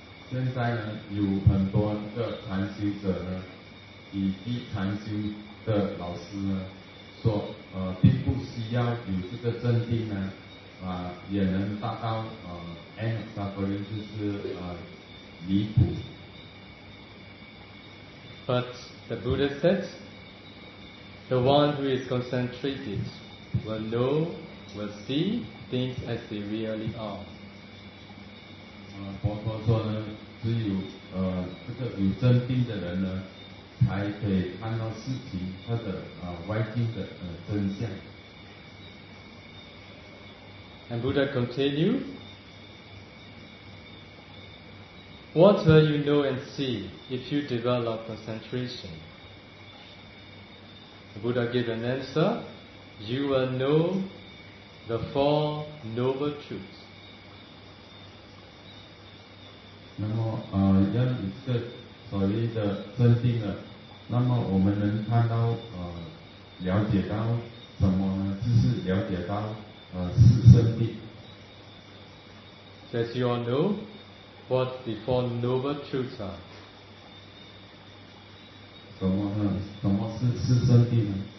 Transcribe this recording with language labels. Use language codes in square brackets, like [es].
[zh] 现在呢，有很多的禅修者呢，以及禅修的老师呢，说，并不需要有这个镇定呢，也能达到 [en] end of suffering， [zh] 就是离苦。 [en] But the Buddha said, the one who is concentrated will know, will see things as they really are. [zh] 佛陀说呢，只有这个有镇定的人呢，才可以看到事情它的外境的真相。 [en] And Buddha continued, what will you know and see if you develop concentration? The Buddha gave an answer, you will know the Four Noble Truths. [zh] 那么要有这个所谓的镇定呢，那么我们能看到了解到什么呢？就是了解到四圣谛。 [en] As you all know what the Four Noble Truths are. [zh] 什么是四圣谛呢？